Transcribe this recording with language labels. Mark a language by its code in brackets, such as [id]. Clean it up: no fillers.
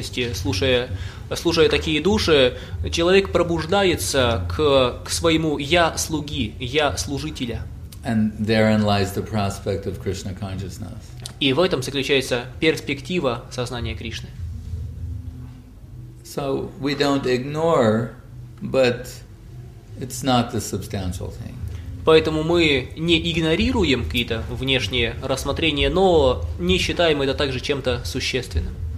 [ru] И слушая такие души, человек пробуждается к своему «я слуги», «я служителя». [en] And therein lies the prospect of Krishna consciousness. [ru] И в этом заключается перспектива сознания Кришны. [en] So we don't ignore, but it's not the substantial thing. [ru] Поэтому мы не игнорируем какие-то внешние рассмотрения, но не считаем это также чем-то существенным.